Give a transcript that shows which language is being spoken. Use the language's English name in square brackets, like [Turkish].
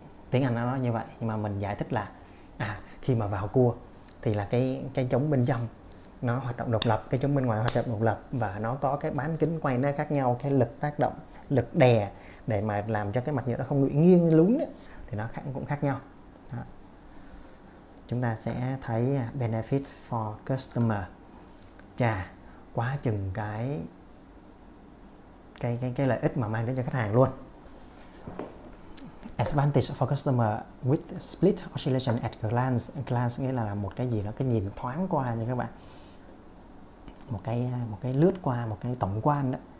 [Vietnamese] Tiếng Anh nó nói như vậy, nhưng mà mình giải thích là khi mà vào cua thì là cái chống bên trong nó hoạt động độc lập, cái chống bên ngoài hoạt động độc lập, và nó có cái bán kính quay nó khác nhau, cái lực tác động, lực đè để mà làm cho cái mặt nhựa nó không bị nghiêng lún ấy, thì nó cũng khác nhau. Đó. Chúng ta sẽ thấy [English] benefit for customer. [Vietnamese] Chà, quá chừng cái lợi ích mà mang đến cho khách hàng luôn. [English] Advantage for customer with split oscillation at glance. [Vietnamese] Glance nghĩa là một cái gì đó, cái nhìn thoáng qua nha các bạn. Một cái lướt qua, một cái tổng quan đó.